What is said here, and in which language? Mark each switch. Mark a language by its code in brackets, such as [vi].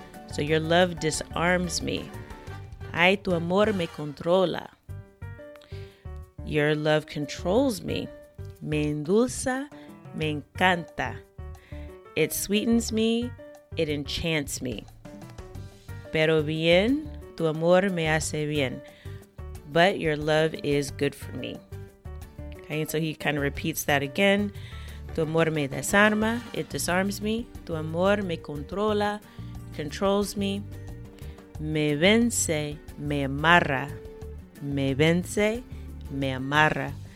[en] So your love disarms me. [es] Ay, tu amor me controla. [en] Your love controls me. [es] Me endulza, me encanta. [en] It sweetens me, it enchants me. [es] Pero bien, tu amor me hace bien. [en] But your love is good for me. Okay, and so he kind of repeats that again. [es] Tu amor me desarma, [en] it disarms me. [es] Tu amor me controla, [en] controls me. [es] Me vence, me amarra. Me vence, me amarra.